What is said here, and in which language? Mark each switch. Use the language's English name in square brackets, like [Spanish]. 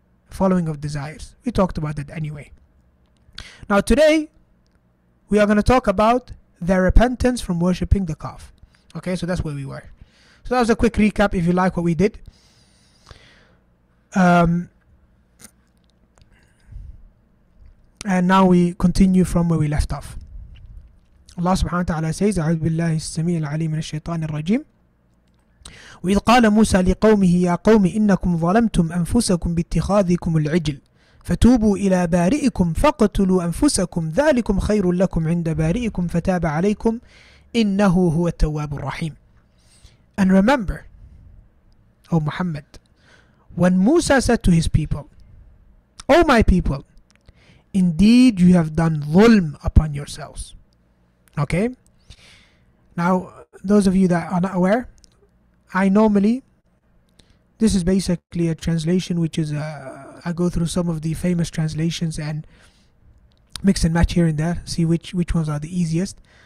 [English] following of desires. We talked about that anyway. Now today, we are going to talk about their repentance from worshipping the calf. Okay, so that's where we were. So that was a quick recap, if you like what we did. And now we continue from where we left off. Allah subhanahu wa ta'ala says, [Arabic] أعوذ بالله السميع العليم من الشيطان الرجيم وإذ قال موسى لقومه يا قوم إنكم ظلمتم أنفسكم باتخاذكم العجل فتوبوا إلى بارئكم فاقتلوا أنفسكم ذلكم خير لكم عند بارئكم فتاب عليكم إنه هو التواب الرحيم. [English] And remember, O Muhammad, when Musa said to his people, O my people, indeed you have done dhulm upon yourselves. Okay? Now, those of you that are not aware, I normally, this is basically a translation which is, I go through some of the famous translations and mix and match here and there, see which ones are the easiest.